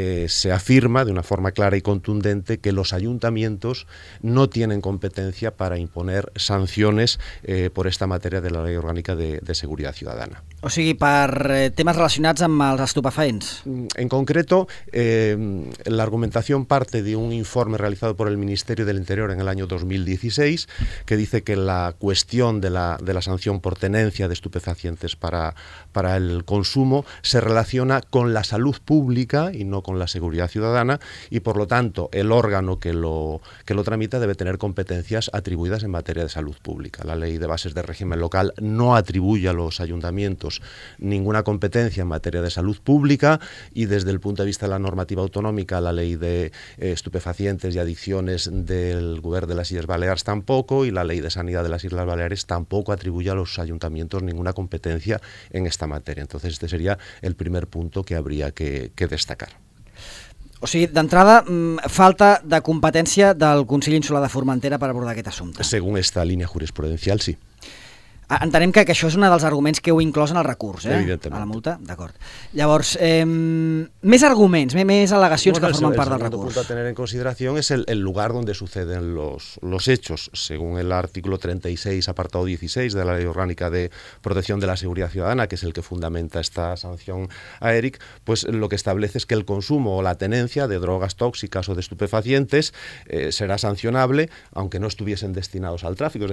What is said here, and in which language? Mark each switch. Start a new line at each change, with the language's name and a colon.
Spanish: se afirma de una forma clara y contundente que los ayuntamientos no tienen competencia para imponer sanciones por esta materia de la Ley Orgánica de Seguridad Ciudadana.
Catalan: O sigui, per temes relacionats amb els estupefaents.
Spanish: En concreto, la argumentación parte de un informe realizado por el Ministerio del Interior en el año 2016, que dice que la cuestión de la sanción por tenencia de estupefacientes para el consumo se relaciona con la salud pública y no con la seguridad ciudadana, y por lo tanto el órgano que lo tramita debe tener competencias atribuidas en materia de salud pública. La Ley de Bases de Régimen Local no atribuye a los ayuntamientos ninguna competencia en materia de salud pública, y desde el punto de vista de la normativa autonómica, la Ley de Estupefacientes y Adicciones del Gobierno de las Islas Baleares tampoco, y la Ley de Sanidad de las Islas Baleares tampoco atribuye a los ayuntamientos ninguna competencia en esta materia. Entonces, este sería el primer punto que habría que destacar.
Catalan: O sigui, d'entrada, falta de competència del Consell Insular de Formentera per abordar aquest assumpte.
Spanish: Según esta línia jurisprudencial, sí.
Catalan: Entenem que això és un dels arguments que heu inclòs en el recurs, a la multa, d'acord. Llavors, més arguments, més al·legacions que formen part del recurs.
Spanish: El segundo punto a tener en consideración es el lugar donde suceden los hechos. Según el artículo 36, apartado 16 de la Ley Orgánica de Protección de la Seguridad Ciudadana, que es el que fundamenta esta sanción a Eric, pues lo que establece es que el consumo o la tenencia de drogas tóxicas o de estupefacientes será sancionable aunque no estuviesen destinados al tráfico.